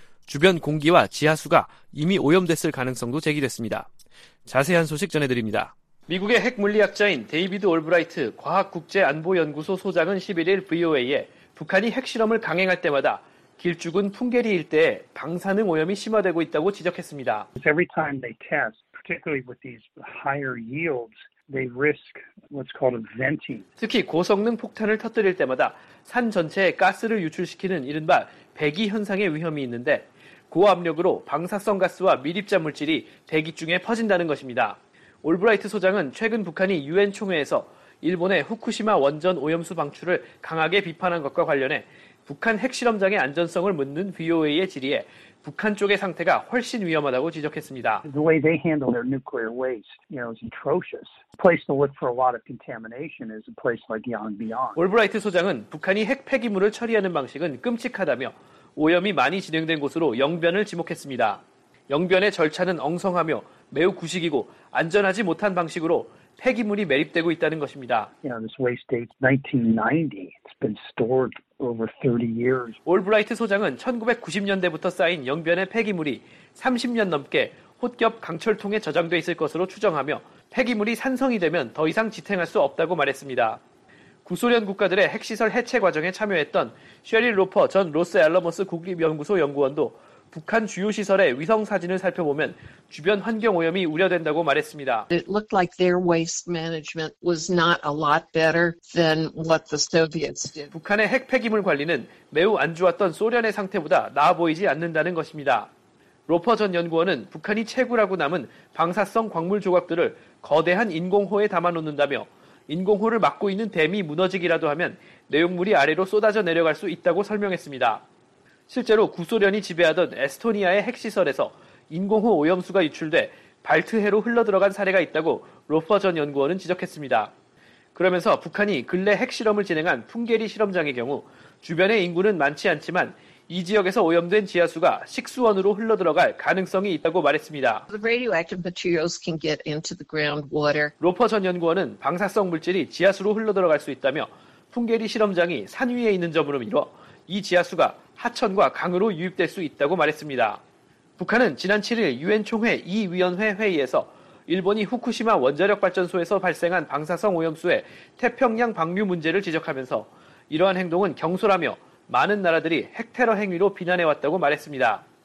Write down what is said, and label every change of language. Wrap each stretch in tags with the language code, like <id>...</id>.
<ko>주변 공기와 지하수가 이미 오염됐을 가능성도 제기됐습니다. 자세한 소식 전해드립니다. 미국의 핵 물리학자인 데이비드 올브라이트 과학국제안보연구소 소장은 11일 VOA에 북한이 핵실험을 강행할 때마다 길쭉은 풍계리 일대에 방사능 오염이 심화되고 있다고 지적했습니다.</ko> <en>Every time they test, particularly with these higher yields, they risk what's called a venting.</en> <ko>특히 고성능 폭탄을 터뜨릴 때마다 산 전체에 가스를 유출시키는 이른바 배기 현상의 위험이 있는데 고압력으로 방사성 가스와 미립자 물질이 대기 중에 퍼진다는 것입니다. 올브라이트 소장은 최근 북한이 유엔 총회에서 일본의 후쿠시마 원전 오염수 방출을 강하게 비판한 것과 관련해 북한 핵실험장의 안전성을 묻는 VOA의 질의에 북한 쪽의 상태가 훨씬 위험하다고 지적했습니다.</ko> <en>The way they handle their nuclear waste, you know, is atrocious. A place to look for a lot of contamination is a place like Yongbyon.</en> <ko>올브라이트 소장은 북한이 핵 폐기물을 처리하는 방식은 끔찍하다며 오염이 많이 진행된 곳으로 영변을 지목했습니다. 영변의 절차는 엉성하며 매우 구식이고 안전하지 못한 방식으로 폐기물이 매립되고 있다는 것입니다.</ko> <en>You know, this waste date 1990. It's been stored over 30 years.</en> <ko>올브라이트 소장은 1990년대부터 쌓인 영변의 폐기물이 30년 넘게 홋겹 강철통에 저장돼 있을 것으로 추정하며 폐기물이 산성이 되면 더 이상 지탱할 수 없다고 말했습니다. 구소련 국가들의 핵시설 해체 과정에 참여했던 셰릴 로퍼 전 로스앨러머스 국립연구소 연구원도 북한 주요 시설의 위성 사진을 살펴보면 주변 환경 오염이 우려된다고 말했습니다.</ko> <en>It looked like their waste management was not a lot better than what the Soviets did.</en> <ko>북한의 핵 폐기물 관리는 매우 안 좋았던 소련의 상태보다 나아 보이지 않는다는 것입니다. 로퍼 전 연구원은 북한이 채굴하고 남은 방사성 광물 조각들을 거대한 인공호에 담아놓는다며 인공호를 막고 있는 댐이 무너지기라도 하면 내용물이 아래로 쏟아져 내려갈 수 있다고 설명했습니다. 실제로 구소련이 지배하던 에스토니아의 핵시설에서 인공호 오염수가 유출돼 발트해로 흘러들어간 사례가 있다고 로퍼 전 연구원은 지적했습니다. 그러면서 북한이 근래 핵실험을 진행한 풍계리 실험장의 경우 주변의 인구는 많지 않지만 이 지역에서 오염된 지하수가 식수원으로 흘러들어갈 가능성이 있다고 말했습니다.</ko> <en>The radioactive materials can get into the groundwater.</en> <ko>로퍼 전 연구원은 방사성 물질이 지하수로 흘러들어갈 수 있다며 풍계리 실험장이 산 위에 있는 점으로 미뤄 이 지하수가 하천과 강으로 유입될 수 있다고 말했습니다. 북한은 지난 7일 유엔 총회 이 위원회 회의에서 일본이 후쿠시마 원자력 발전소에서 발생한 방사성 오염수의 태평양 방류 문제를 지적하면서 이러한 행동은 경솔하며 많은 나라들이 핵테러 행위로 비난해왔다고 말했습니다.</ko>